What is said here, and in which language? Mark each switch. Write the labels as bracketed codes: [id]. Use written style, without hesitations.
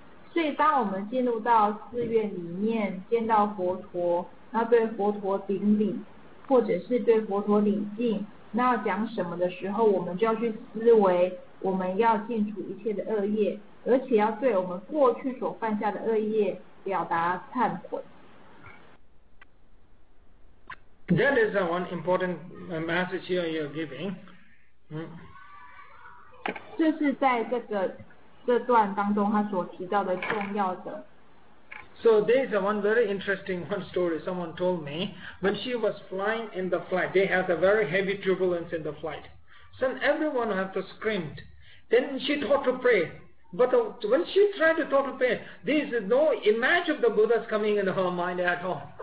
[zh] 所以当我们进入到寺院里面，见到佛陀，那对佛陀顶礼，或者是对佛陀礼敬，那要讲什么的时候，我们就要去思维，我们要净除一切的恶业，而且要对我们过去所犯下的恶业表达忏悔。 [en] That is the one important message here you're giving. [zh] 这是在这段当中他所提到的重要的。 [en] So there is one very interesting one story someone told me. When she was flying in the flight, they had a very heavy turbulence in the flight. So everyone had to scream. Then she thought to pray. But when she tried to thought to pray, there is no image of the Buddha's coming in her mind at all.